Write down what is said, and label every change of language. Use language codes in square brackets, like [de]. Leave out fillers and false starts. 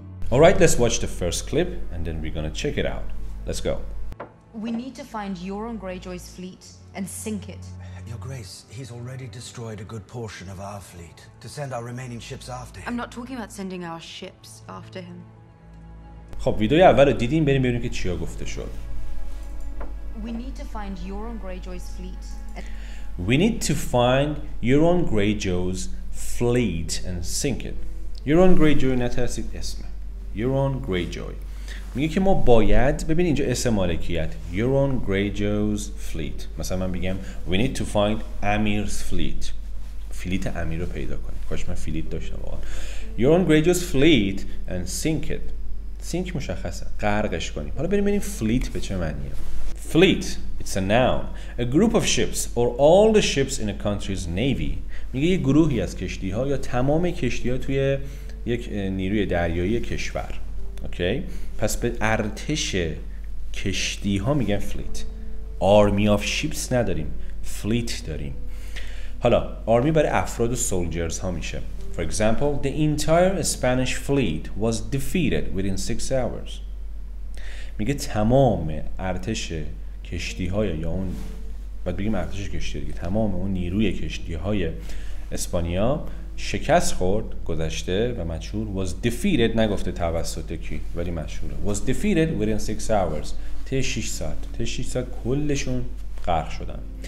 [en] All right, let's watch the first clip and then we're gonna check it out. Let's go. We need to find Euron Greyjoy's fleet and sink it. Your Grace, he's already destroyed a good portion of our fleet. To send our remaining ships after him. I'm not talking about sending our ships after him. [fa] خب ویدیو اول رو دیدیم، بریم ببینیم که چی ها گفته شد. [en] We need to find Euron Greyjoy's fleet. We need to find Euron Greyjoy's fleet and sink it. [fa] Euron Greyjoy نترسید اسمه. Euron Greyjoy میگه که ما باید، ببین اینجا اسم مالکیت، Euron Greyjoy's fleet، مثلا من بگم [en] we need to find Amir's fleet، [fa] فلیت امیر رو پیدا کنیم. کاش من فلیت داشتم واقعا. [en] Euron Greyjoy's fleet and sink it. [fa] Sink مشخصه، غرقش کنیم. حالا بریم ببینیم فلیت به چه معنیه. [en] Fleet, it's a noun, a group of ships or all the ships in a country's navy. [fa] میگه یه گروهی از کشتی ها یا تمام کشتی ها توی یک نیروی دریایی کشور. اوکی، پس به ارتش کشتی ها میگن فلیت. [en] army of ships [fa] نداریم، فلیت داریم. حالا آرمی برای افراد و سولجرز ها میشه. [en] For example, the entire Spanish fleet was defeated within 6 hours. [fa] میگه تمام ارتش کشتی های، یا اون باید بگیم ارتش کشتی دیگه، تمام اون نیروی کشتی های اسپانیا شکست خورد، گذشته و مشهور was defeated، نگفته توسط کی ولی مشهوره، [en] was defeated within 6 hours، [fa] ته 6 ساعت کلشون غرق شدن.